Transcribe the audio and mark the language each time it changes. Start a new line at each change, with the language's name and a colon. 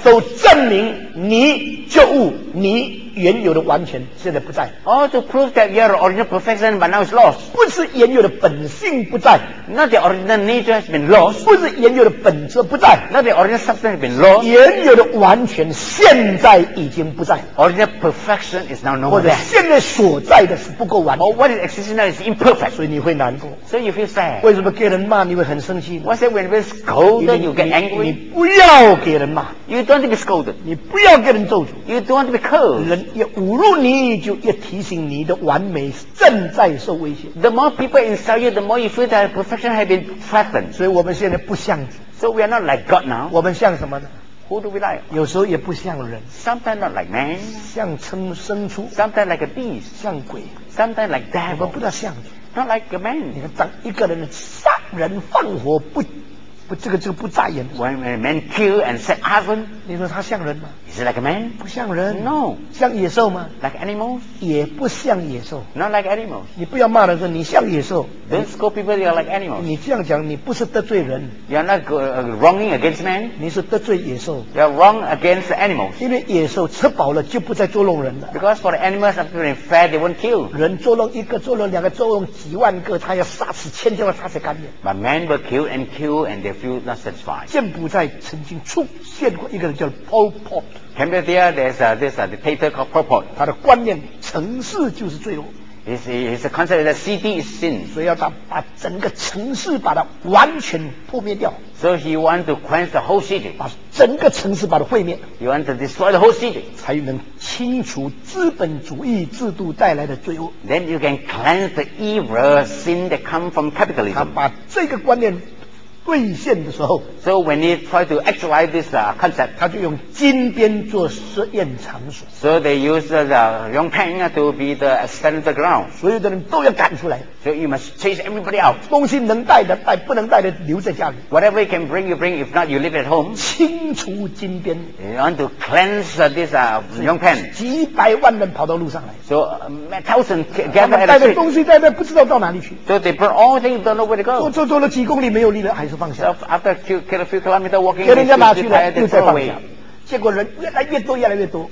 Chinese: 都证明你旧物你原有的完全现在不在
English: Oh, to prove that your original perfection but now is lost
Chinese: 不是原有的本性不在
English: Not the original nature has been lost
Chinese: 不是原有的本质不在
English: Not the original substance has been lost
Chinese: 原有的完全现在已经不在
English: Original perfection is now no more
Chinese: 或者现在所在的是不够完
English: Or what is existing now is imperfect
Chinese: 所以你会难过
English: So you feel sad
Chinese: 为什么给人骂你会很生气
English: What's that when you're scolded you get angry
Chinese: 你不要给人骂
English: You don't want to be scolded
Chinese: 你不要给人咒诅
English: You don't want to be cursed
Chinese: 越侮辱你，就越提醒你的完美正在受威胁。
English: The more people insult you, the more you feel that perfection has been threatened.
Chinese: 所以我们现在不像主。
English: So we are not like God now.
Chinese: 我们像什么呢
English: ？Who do we like?
Chinese: 有时候也不像人。
English: Sometimes not like man.
Chinese: 像牲畜。
English: Sometimes like a beast.
Chinese: 像鬼。
English: Sometimes like devil.
Chinese: 我们不大像主。
English: Not like a man.
Chinese: 你看，当一个人杀人放火不这个不眨眼。
English: When a man kill and set oven.
Chinese: 你说他像人吗？
English: Is it like a man?
Chinese: 不像人。
English: No.
Chinese: 像野兽吗？
English: Like animals?
Chinese: 也不像野兽。
English: Not like animals.
Chinese: 你不要骂人说你像野兽。
English: Don't scold people that are like animals.
Chinese: 你这样讲你不是得罪人。
English: You're not wronging against man.
Chinese: 你是得罪野兽。
English: You're wrong against animals.
Chinese: 因为野兽吃饱了就不再捉弄人了。
English: Because for the animals after being fed, they won't kill.
Chinese: 人捉弄一个，捉弄两个，捉弄几万个，他要杀死千千万，杀死干净。
English: But men were killed and killed, and they feel not satisfied.
Chinese: 柬埔寨曾经出现过一个人叫 Pol Pot.
English: Cambodia, there's a, this a dictator called Pol Pot.
Chinese: 他的观念，城市就是罪恶。
English: It's a concept that city is sin.
Chinese: 所以要他把整个城市把它完全扑灭掉。
English: So he want to quench the whole city.
Chinese: 把整个城市把它毁灭。
English: He want to destroy the whole city.
Chinese: 才能清除资本主义制度带来的罪恶。
English: Then you can cleanse the evil sin that come from capitalism.
Chinese: 他把这个观念兑现的时候，
English: so when he try to actualize this concept,
Chinese: 他就用金边做实验场所。
English: So they use the young pen to be the experimental ground.
Chinese: 所有的人都要赶出来。
English: So you must chase everybody out.
Chinese: 东西能带的带，不能带的留在家里。
English: Whatever you can bring, you bring. If not, you leave at home.
Chinese: 清除金边。
English: You want to cleanse this young pen.
Chinese: 几百万人跑到路上来。
English: So thousand gather at the street.
Chinese: 带的东西带的不知道到哪里去。
English: So they burn all things, don't know where to go.
Chinese: 走了几公里没有力量。So、
English: after a few kilometers walking,
Chinese: 给人家拿去了，又再放下。结果人越来越多，越来越多。